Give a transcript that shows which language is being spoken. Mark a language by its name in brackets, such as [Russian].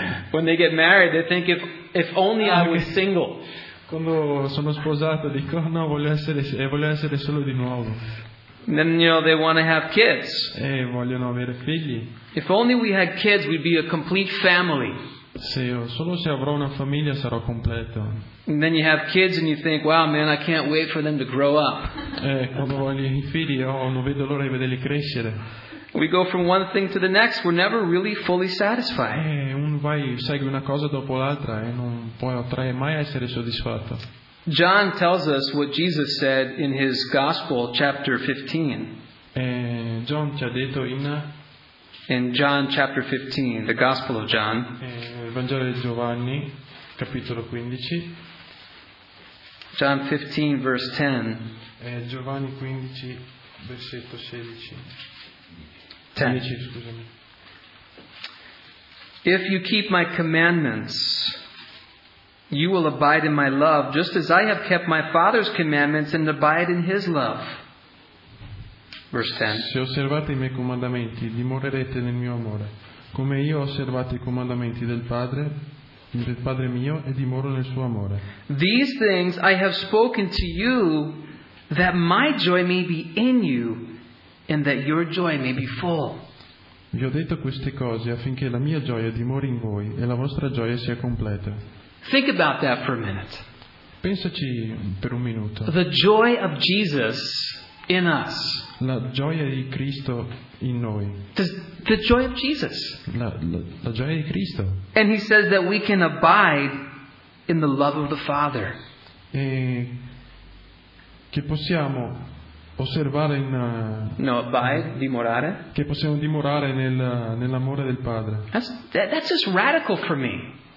[English] When they get married, they think, if only I was single. [Italian] Quando sono sposato, dico, no, voglio essere solo di nuovo. [English] And then, you know, they want to have kids. [Italian] E vogliono avere figli. [English] If only we had kids, we'd be a complete family. [Italian] Solo se avrò una famiglia sarò completo. [English] And then you have kids and you think, wow, man, I can't wait for them to grow up. [Italian] Quando voglio i figli, non vedo l'ora di vederli crescere. [English] We go from one thing to the next. We're never really fully satisfied. [Italian] Segue una cosa dopo l'altra e non puoi mai essere soddisfatto. [English] John tells us what Jesus said in his Gospel, chapter 15. [Italian] John ci ha detto in... [English] In John chapter 15, the Gospel of John. [Italian] Vangelo di Giovanni, capitolo 15. [English] John 15, verse 10. [Italian] Giovanni 15, versetto 16. 10, scusami. [English] If you keep my commandments, you will abide in my love, just as I have kept my Father's commandments and abide in his love. Verse 10. [Italian] Se osservate i miei comandamenti, dimorerete nel mio amore, come io ho osservato i comandamenti del Padre mio e dimoro nel suo amore. [English] These things I have spoken to you, that my joy may be in you, and that your joy may be full. [Italian] Vi ho detto queste cose affinché la mia gioia dimori in voi e la vostra gioia sia completa. [English] Think about that for a minute. [Italian] Pensaci per un minuto. [English] The joy of Jesus in us. [Italian] La gioia di Cristo in noi. [English] The joy of Jesus. [Italian] La gioia di Cristo. [English] And he says that we can abide in the love of the Father. [Italian] E che possiamo osservare in... [English] No, abide, dimorare. [Italian] Che possiamo dimorare nell'amore del Padre. [English] That's just radical for me.